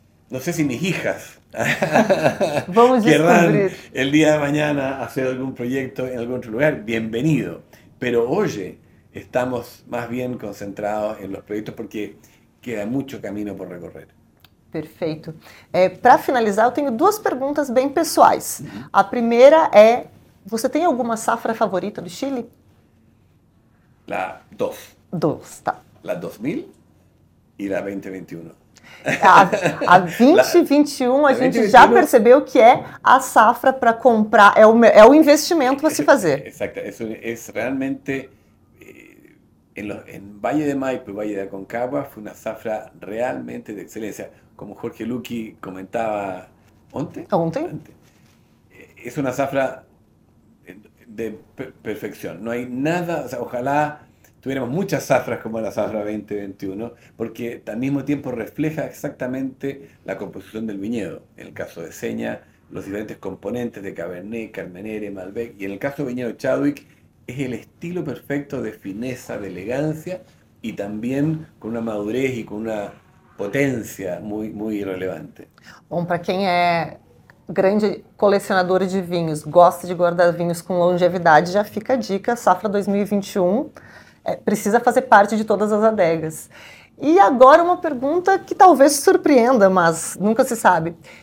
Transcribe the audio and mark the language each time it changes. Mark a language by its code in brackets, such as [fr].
[es] No sé si mis hijas vamos querrán descubrir el día de mañana hacer algún proyecto en algún otro lugar, bienvenido. Pero oye, estamos más bien concentrados en los proyectos porque queda mucho camino por recorrer. [pt] Perfeito. Para finalizar, eu tenho duas perguntas bem pessoais. A primeira é, você tem alguma safra favorita do Chile? [es] La 2. [pt] Dos, tá. [es] La 2000 e la 2021. [pt] A 2021 a gente 20, já 21. Percebeu que é a safra para comprar, é o investimento para se fazer. Exato, é realmente, em Valle de Maipo e Valle de Aconcagua, foi uma safra realmente de excelência. [es] Como Jorge Luqui comentaba [pt] ontem, [es] es una zafra de perfección. No hay nada, o sea, ojalá tuviéramos muchas zafras como la zafra 2021, porque al mismo tiempo refleja exactamente la composición del viñedo. En el caso de Seña, los diferentes componentes de Cabernet, Carmenere, Malbec, y en el caso de viñedo Chadwick, es el estilo perfecto de fineza, de elegancia, y también con una madurez y con una [pt] potência muito, muito relevante. Bom, para quem é grande colecionador de vinhos, gosta de guardar vinhos com longevidade, já fica a dica, safra 2021 precisa fazer parte de todas as adegas. E agora uma pergunta que talvez surpreenda, mas nunca se sabe.